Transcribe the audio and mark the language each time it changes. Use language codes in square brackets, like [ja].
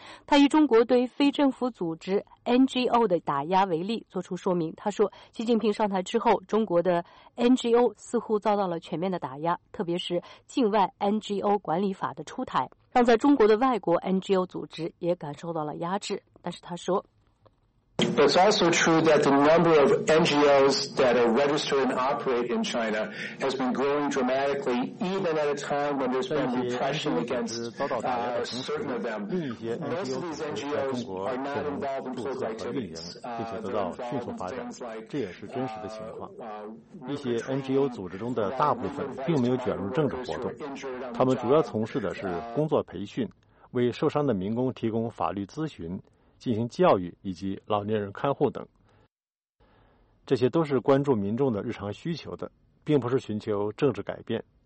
[zh] 他以中国对非政府组织 NGO 的打压为例做出说明。他说，习近平上台之后，中国的 NGO 似乎遭到了全面的打压，特别是境外 NGO 管理法的出台，让在中国的外国 NGO 组织也感受到了压制。但是他说， [en] It's also true that the number of NGOs that are registered and operate in China has been growing dramatically, even at a time when there's been repression against certain of them. Most of these NGOs are not involved in political activities. They're involved in things like, [zh] 这也是真实的情况。一些 NGO 组织中的大部分并没有卷入政治活动，他们主要从事的是工作培训，为受伤的民工提供法律咨询，进行教育以及老年人看护等，这些都是关注民众的日常需求的，并不是寻求政治改变。